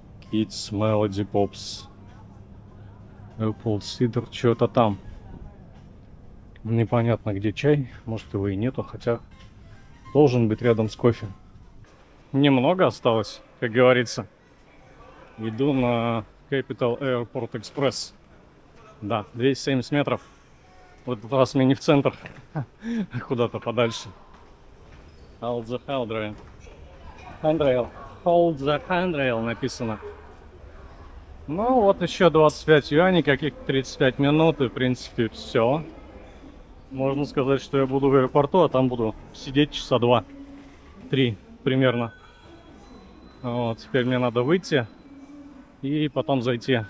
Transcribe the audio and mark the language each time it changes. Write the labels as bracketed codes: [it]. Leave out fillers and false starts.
[ru] Kids Melody Pops. Apple Cider. Что-то там. Непонятно, где чай. Может, его и нету, хотя должен быть рядом с кофе. Немного осталось, как говорится. Иду на Capital Airport Express. Да, 270 метров. В этот раз мне не в центр, а куда-то подальше. [en] Hold the handrail. Handrail. Hold the handrail [ru] написано. Ну, вот еще 25 юаней, каких-то 35 минут, и, в принципе, все. Можно сказать, что я буду в аэропорту, а там буду сидеть часа 2-3 примерно. Вот, теперь мне надо выйти и потом зайти.